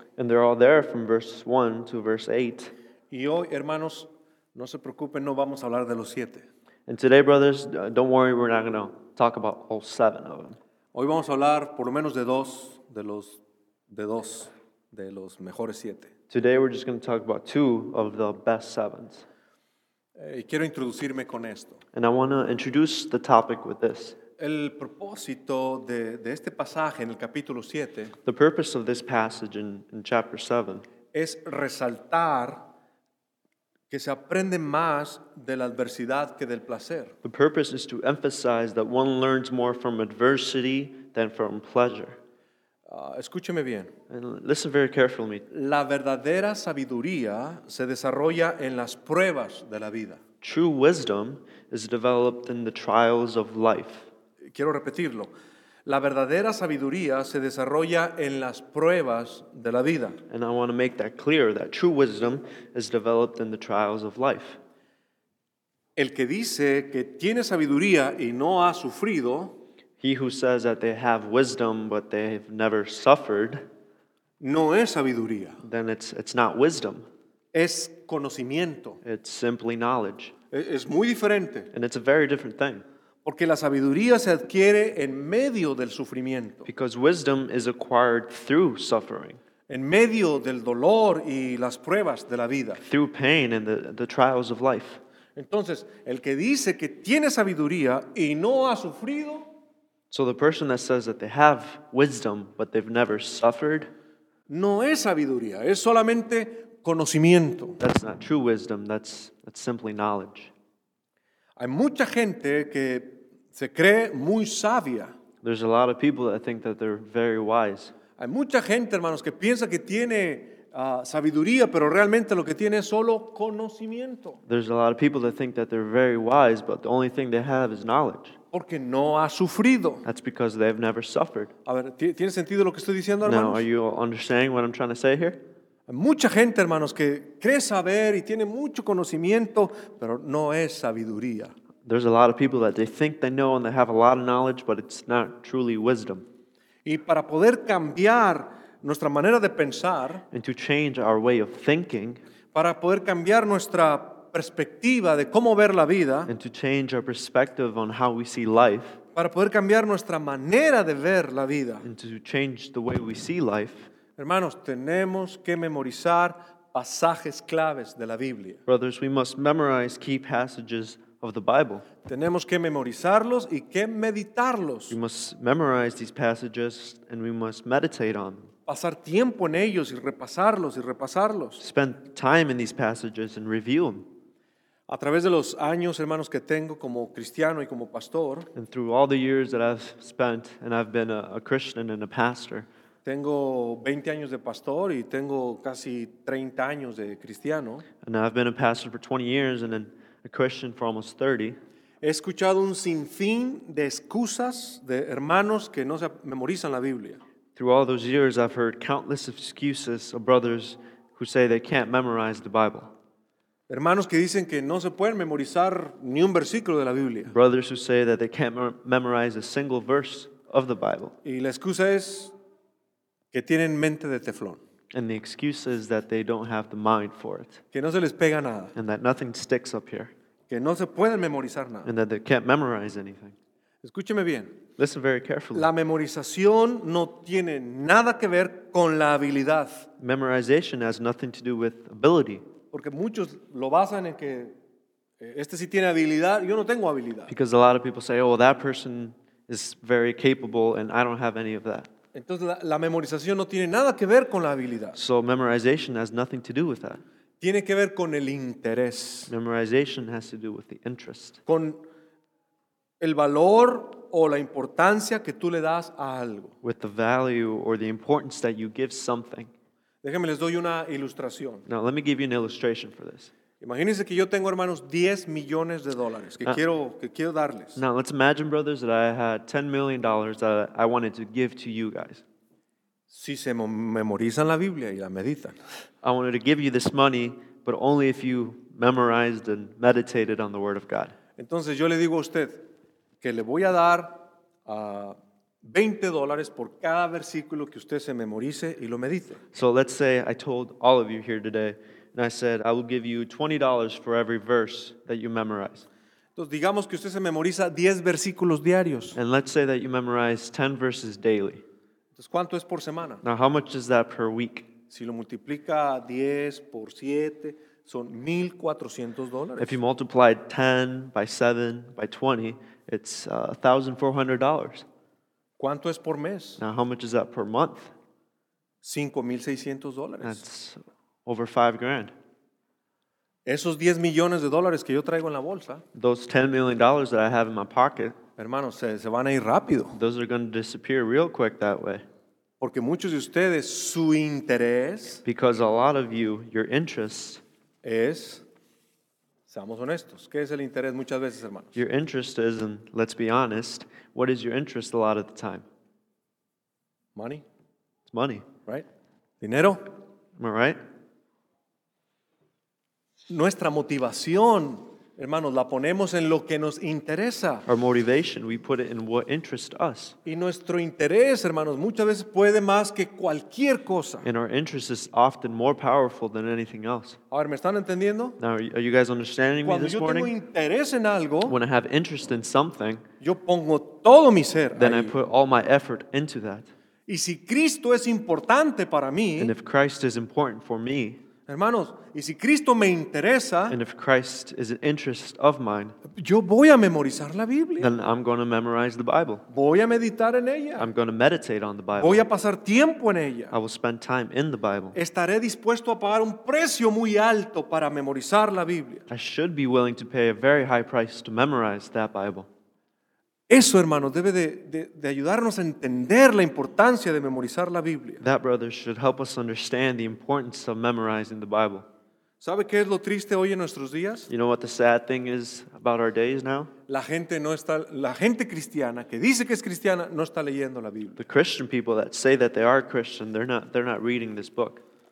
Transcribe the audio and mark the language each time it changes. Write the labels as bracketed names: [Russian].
[English] And they're all there from verse 1 to verse 8. [Spanish] Y hoy, hermanos, no se preocupen, no vamos a hablar de los siete. [English] And today, brothers, don't worry, we're not going to talk about all seven of them. [Spanish] Hoy vamos a hablar por lo menos de dos de los mejores siete. [English] Today we're just going to talk about two of the best sevens. [Spanish] Y quiero introducirme con esto. [English] And I want to introduce the topic with this. [Spanish] El propósito de este pasaje en el capítulo 7. [English] The purpose of this passage in chapter 7 [Spanish] es resaltar que se aprende más de la adversidad que del placer. [English] The purpose is to emphasize that one learns more from adversity than from pleasure. [Spanish] Escúcheme bien. [English] And listen very carefully. [Spanish] La verdadera sabiduría se desarrolla en las pruebas de la vida. [English] True wisdom is developed in the trials of life. [Spanish] Quiero repetirlo. La verdadera sabiduría se desarrolla en las pruebas de la vida. [English] And I want to make that clear, that true wisdom is developed in the trials of life. [Spanish] El que dice que tiene sabiduría y no ha sufrido, [English] he who says that they have wisdom but they have never suffered, [Spanish] no es sabiduría. [English] Then it's not wisdom. [Spanish] Es conocimiento. [English] It's simply knowledge. [Spanish] Es muy diferente. [English] And it's a very different thing. [Spanish] Porque la sabiduría se adquiere en medio del sufrimiento. [English] Because wisdom is acquired through suffering. [Spanish] En medio del dolor y las pruebas de la vida. [English] Through pain and the trials of life. [Spanish] Entonces, el que dice que tiene sabiduría y no ha sufrido. [English] So the person that says that they have wisdom but they've never suffered. [Spanish] No es sabiduría, es solamente conocimiento. [English] That's not true wisdom, that's simply knowledge. [Spanish] Hay mucha gente que se cree muy sabia. [English] There's a lot of people that think that they're very wise. [Spanish] Hay mucha gente, hermanos, que piensa que tiene sabiduría, pero realmente lo que tiene es solo conocimiento. [English] There's a lot of people that think that they're very wise, but the only thing they have is knowledge. [Spanish] Porque no ha sufrido. [English] That's because they've never suffered. [Spanish] A ver, ¿tiene sentido lo que estoy diciendo, hermanos? [English] Now, are you understanding what I'm trying to say here? [Spanish] Mucha gente, hermanos, que cree saber y tiene mucho conocimiento, pero no es sabiduría. [English] There's a lot of people that they think they know and they have a lot of knowledge, but it's not truly wisdom. [Spanish] Y para poder cambiar nuestra manera de pensar, [English] and to change our way of thinking, [Spanish] para poder cambiar nuestra perspectiva de cómo ver la vida, [English] and to change our perspective on how we see life, [Spanish] para poder cambiar nuestra manera de ver la vida, [English] and to change the way we see life, [Spanish] hermanos, tenemos que memorizar pasajes claves de la Biblia. [English] Brothers, we must memorize key passages of the Bible. [Spanish] Tenemos que memorizarlos y que meditarlos. [English] We must memorize these passages and we must meditate on them. [Spanish] Pasar tiempo en ellos y repasarlos y repasarlos. [English] Spend time in these passages and review them. [Spanish] A través de los años, hermanos, que tengo como cristiano y como pastor, [English] and through all the years that I've spent and I've been a Christian and a pastor, [Spanish] tengo 20 años de pastor y tengo casi 30 años de cristiano. [English] And I've been a pastor for 20 years and then a Christian for almost 30. [Spanish] He escuchado un sinfín de excusas de hermanos que no se memorizan la Biblia. [English] Through all those years I've heard countless excuses of brothers who say they can't memorize the Bible. [Spanish] Hermanos que dicen que no se pueden memorizar ni un versículo de la Biblia. [English] Brothers who say that they can't memorize a single verse of the Bible. [Spanish] Y la excusa es que tienen mente de teflón. [English] And the excuse is that they don't have the mind for it. [Spanish] Que no se les pega nada. [English] And that nothing sticks up here. [Spanish] Que no se pueden memorizar nada. [English] And that they can't memorize anything. [Spanish] Escúcheme bien. [English] Listen very carefully. [Spanish] La memorización no tiene nada que ver con la habilidad. [English] Memorization has nothing to do with ability. [Spanish] Porque muchos lo basan en que este sí tiene habilidad, yo no tengo habilidad. [English] Because a lot of people say, oh, that person is very capable and I don't have any of that. [Spanish] Entonces la memorización no tiene nada que ver con la habilidad. [English] So memorization has nothing to do with that. [Spanish] Tiene que ver con el interés. [English] Memorization has to do with the interest. [Spanish] Con el valor o la importancia que tú le das a algo. [English] With the value or the importance that you give something. [Spanish] Déjenme les doy una ilustración. [English] Now let me give you an illustration for this. [Spanish] Imagínense que yo tengo, hermanos, 10 millones de dólares que quiero darles. [English] Now, let's imagine, brothers, that I had $10 million that I wanted to give to you guys. [Spanish] Si se memorizan la Biblia y la meditan. [English] I wanted to give you this money, but only if you memorized and meditated on the Word of God. [Spanish] Entonces, yo le digo a usted que le voy a dar $20 por cada versículo que usted se memorice y lo medite. [English] So, let's say I told all of you here today, and I said, I will give you $20 for every verse that you memorize. [Spanish] Entonces, digamos que usted se memoriza 10 versículos diarios. [English] And let's say that you memorize 10 verses daily. [Spanish] Entonces, ¿cuánto es por semana? [English] Now, how much is that per week? [Spanish] Si lo multiplica 10 por 7, son $1,400. [English] If you multiply 10 by 7 by 20, it's $1,400. [Spanish] ¿Cuánto es por mes? [English] Now, how much is that per month? [Spanish] $5,600. [English] That's over $5,000. [Spanish] Esos 10 millones de dólares que yo traigo en la bolsa. [English] Those $10 million that I have in my pocket. [Spanish] Hermanos, se van a ir rápido. [English] Those are going to disappear real quick that way. [Spanish] Porque muchos de ustedes, su interés. [English] Because a lot of you, your interest. [Spanish] Es, seamos honestos, ¿qué es el interés muchas veces, hermanos? [English] Your interest is, and let's be honest, what is your interest a lot of the time? Money. It's money. Right? [Spanish] Dinero. [English] Am I right? [Spanish] Nuestra motivación, hermanos, la ponemos en lo que nos interesa. [English] Our motivation, we put it in what interests us. [Spanish] Y nuestro interés, hermanos, muchas veces puede más que cualquier cosa. [English] And our interest is often more powerful than anything else. [Spanish] A ver, ¿me están entendiendo? [English] Now, are you guys understanding [Spanish] Cuando [English] me this [Spanish] yo [English] morning? [Spanish] Tengo interés en algo, [English] when I have interest in something, [Spanish] yo pongo todo mi ser [English] then [Spanish] ahí. [English] I put all my effort into that. [Spanish] Y si Cristo es importante para mí, [English] and if Christ is important for me, [Spanish] hermanos, y si Cristo me interesa, [English] and if Christ is an interest of mine, [Spanish] yo voy a memorizar la Biblia. [English] Then I'm going to memorize the Bible. [Spanish] Voy a meditar en ella. [English] I'm going to meditate on the Bible. [Spanish] Voy a pasar tiempo en ella. [English] I will spend time in the Bible. [Spanish] Estaré dispuesto a pagar un precio muy alto para memorizar la Biblia. [English] I should be willing to pay a very high price to memorize that Bible. [Spanish] Eso, hermanos, debe de ayudarnos a entender la importancia de memorizar la Biblia. [English] That, brothers, should help us understand the importance of memorizing the Bible. [Spanish] ¿Sabe qué es lo triste hoy en nuestros días? [English] You know what the sad thing is about our days now? [Spanish] La gente cristiana que dice que es cristiana no está leyendo la Biblia. [English] The Christian people that say that they are Christian, they're not reading this book.